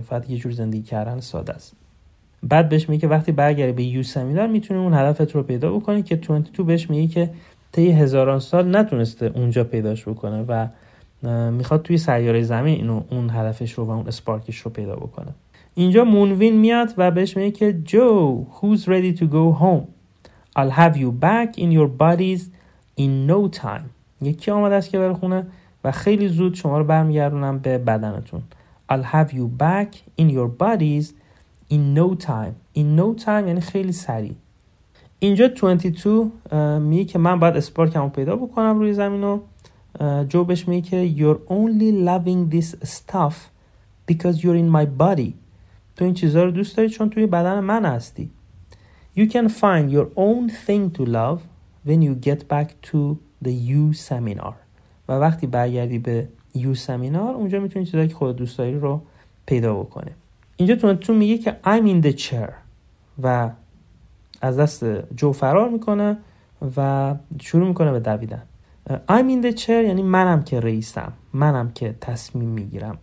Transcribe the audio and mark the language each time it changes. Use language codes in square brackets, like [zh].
[fa] فقط یه جور زندگی کردن ساده است. بعد بهش میگه که وقتی برگردی به یوسمینار میتونی اون هدفت رو پیدا بکنی که 22 بهش میگه که طی هزاران سال نتونسته اونجا پیداش بکنه و میخواد توی سیاره زمین اینو اون هدفش رو و اون اسپارکش رو پیدا بکنه. اینجا مونوین میاد و بهش میگه که جو [en] who's ready to go home? I'll have you back in your bodies in no time. [fa] یکی آمده است که بره خونه و خیلی زود شما رو برمیگردونم به بدنتون. [en] I'll have you back in your bodies in no time. [fa] In no time یعنی خیلی سریع. اینجا 22 میگه که من باید اسپارکم رو پیدا بکنم روی زمین رو. جو بهش میگه که [en] you're only loving this stuff because you're in my body. [fa] تو این چیزها رو دوست داری چون توی بدن من هستی. [en] You can find your own thing to love when you get back to the you seminar. [fa] و وقتی برگردی به you seminar اونجا میتونی چیزهایی که خود دوست داری رو پیدا بکنه. اینجا تو میگه که [en] I'm in the chair [fa] و از دست جو فرار میکنه و شروع میکنه به دویدن. [en] I'm in the chair [fa] یعنی منم که رئیسم، منم که تصمیم میگیرم.